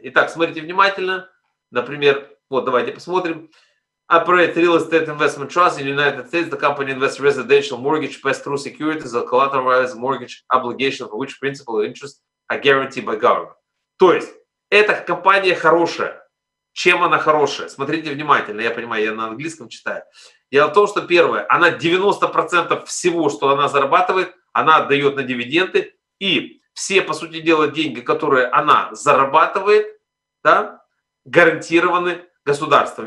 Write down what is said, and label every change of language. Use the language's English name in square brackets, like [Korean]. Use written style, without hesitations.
[Russian] Итак, смотрите внимательно. Например, вот давайте посмотрим. [English] Operate Real Estate Investment Trust in United States. The company invests residential mortgage pass-through securities or collateralized mortgage obligations, which principal interest are guaranteed by government. [Russian] То есть, эта компания хорошая. Чем она хорошая? Смотрите внимательно. Я понимаю, я на английском читаю. Дело в том, что первое, она 90% всего, что она зарабатывает, она отдает на дивиденды, и все, по сути дела, деньги, которые она зарабатывает, да, гарантированы государством.